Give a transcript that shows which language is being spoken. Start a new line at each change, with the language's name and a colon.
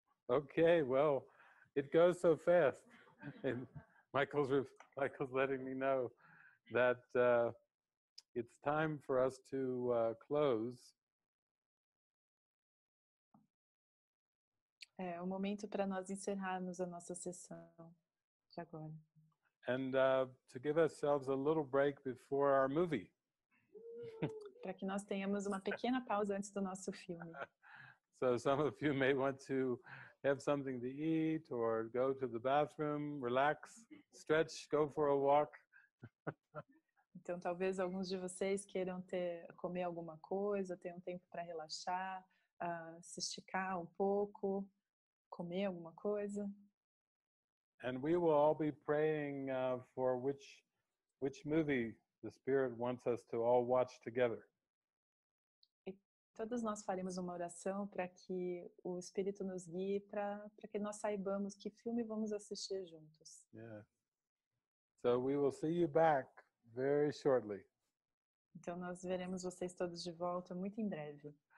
English: Okay, well, it goes so fast, and Michael's letting me know that it's time for us to close.
Portuguese: É o momento para nós encerrarmos a nossa sessão de agora.
English: And to give ourselves a little break before our movie.
Portuguese: Para que nós tenhamos uma pequena pausa antes do nosso filme.
English: So some of you may want to have something to eat or go to the bathroom, relax, stretch, go for a walk.
Portuguese: Então talvez alguns de vocês queiram comer alguma coisa, ter um tempo para relaxar, se esticar um pouco, comer alguma coisa.
English: And we will all be praying for which movie the Spirit wants us to all watch together.
Portuguese: Todos nós faremos uma oração para que o Espírito nos guie, para que nós saibamos que filme vamos assistir juntos.
English: Yeah. So we will see you back very shortly.
Portuguese: Então nós veremos vocês todos de volta muito em breve.